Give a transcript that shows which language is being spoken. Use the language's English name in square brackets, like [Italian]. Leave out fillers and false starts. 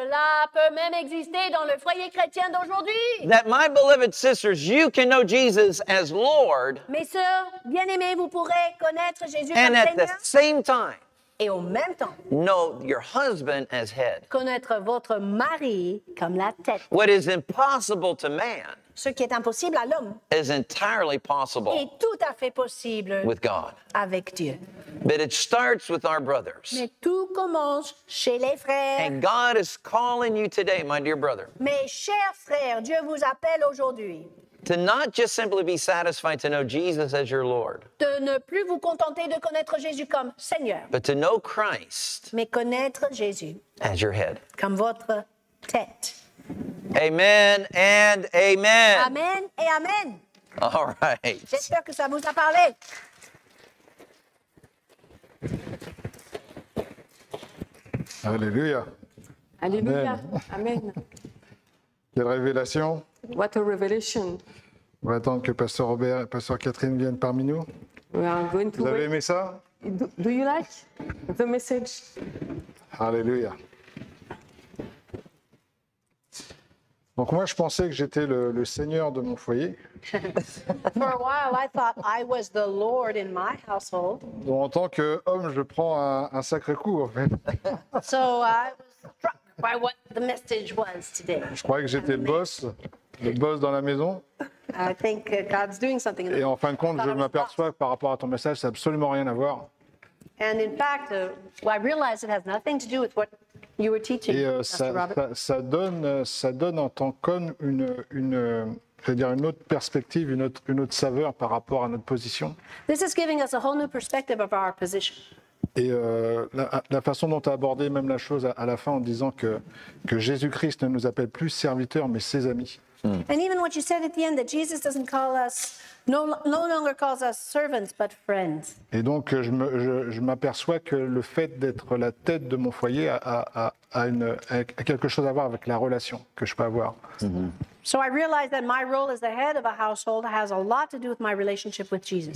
[French] Cela peut même exister dans le foyer chrétien d'aujourd'hui. [English] That my beloved sisters, you can know Jesus as Lord [French] Mes sœurs, bien-aimées, vous pourrez connaître Jésus comme [English] and [French] Seigneur [English] at the same time, [French] et au même temps [English] know your husband as head. [French] Connaître votre mari comme la tête. [English] What is impossible to man [French] Ce qui est impossible à l'homme [English] is entirely possible [French] est tout à fait possible [English] with God. [French] Avec Dieu. [English] But it starts with our brothers. [French] Mais tout commence chez les frères. [English] And God is calling you today, my dear brother. [French] Mes chers frères, Dieu vous appelle aujourd'hui. [English] To not just simply be satisfied to know Jesus as your Lord. [French] De ne plus vous contenter de connaître Jésus comme Seigneur. [English] But to know Christ. [French] Mais connaître Jésus. [English] As your head. [French] Comme votre tête. [English] Amen and amen. [French] Amen et amen. [English] All right. [French] J'espère que ça vous a parlé. Alléluia. Alléluia. Amen. Amen. Quelle révélation. [English] What a revelation. [French] On va attendre que Pasteur Robert et Pasteur Catherine viennent parmi nous. [English] We are going to [French] Vous avez [English] wait. [French] Aimé ça? [English] Do you like the message? [French] Alléluia. Donc moi, je pensais que j'étais le seigneur de mon foyer. [English] For a while, I thought I was the lord in my household. [French] Donc en tant qu'homme, je prends un sacré coup, en fait. [English] So I was struck by what the message was today. [French] Je croyais que j'étais le boss dans la maison. [English] I think God's doing something. [French] Et en fin de compte, je m'aperçois par rapport à ton message, ça n'a absolument rien à voir. [English] And in fact, I realize it has nothing to do with what you were teaching. [French] Et ça donne en tant qu'homme une autre perspective, une autre saveur par rapport à notre position. [English] This is giving us a whole new perspective of our position. [French] Et la façon dont tu as abordé même la chose à la fin en disant que Jésus-Christ ne nous appelle plus serviteurs mais ses amis. [English] And even what you said at the end that Jesus doesn't call us no longer calls us servants but friends. [French] Et donc je m'aperçois que le fait d'être la tête de mon foyer a quelque chose à voir avec la relation que je peux avoir. Mm-hmm. [English] So I realize that my role as the head of a household has a lot to do with my relationship with Jesus.